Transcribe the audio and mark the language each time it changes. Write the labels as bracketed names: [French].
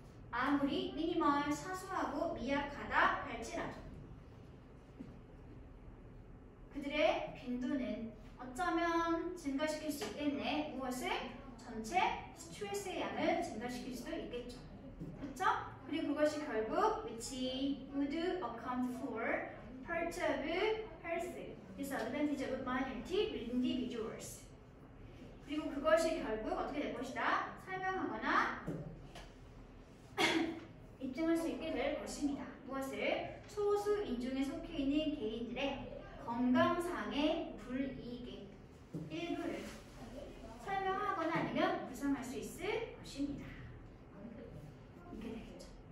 [Korean] 아무리 미니멀 사소하고 미약하다 할지라도 그들의 빈도는 어쩌면 증가시킬 수 있겠네. 무엇을? 전체 스트레스의 양을 증가시킬 수도 있겠죠. 그렇죠? 그리고 그것이 결국 [English] which would account for part of health disadvantage of minority individuals. [Korean] 그리고 그것이 결국 어떻게 될 것이다? 설명하거나 입증할 수 있게 될 것입니다. 무엇을? 소수 인종에 속해 있는 개인들의 건강상의 불이익의 일부를 설명하거나 아니면 구성할 수 있을 것입니다. 이렇게 되겠죠.